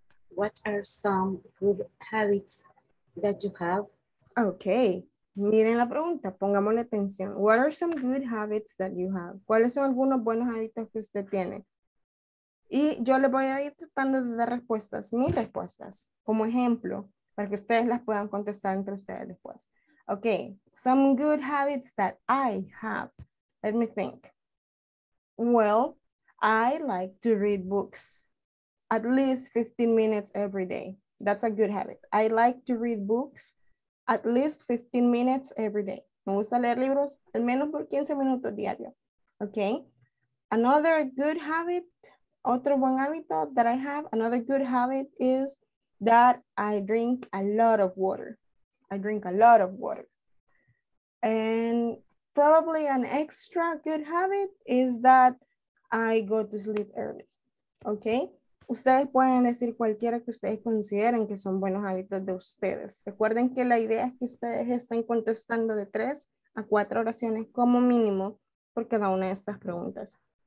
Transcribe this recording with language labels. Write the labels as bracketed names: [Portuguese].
[English] What are some good habits that you have? Okay. Miren la pregunta. Pongámosle atención. What are some good habits that you have? [Spanish] ¿Cuáles son algunos buenos hábitos que usted tiene? Y yo le voy a ir tratando de dar respuestas, mis respuestas, como ejemplo, para que ustedes las puedan contestar entre ustedes después. [English] Okay, some good habits that I have. Let me think. Well, I like to read books at least 15 minutes every day. That's a good habit. I like to read books at least 15 minutes every day. [Spanish] Me gusta leer libros al menos por 15 minutos diario. [English] Okay, another good habit, [Spanish] otro buen hábito [English] that I have, another good habit is that I drink a lot of water. I drink a lot of water. And probably an extra good habit is that I go to sleep early. Okay? [Spanish] Ustedes pueden decir cualquiera que ustedes consideren que son buenos hábitos de ustedes. Recuerden que la idea es que ustedes estén contestando de 3 a 4 oraciones como mínimo por cada una de estas preguntas.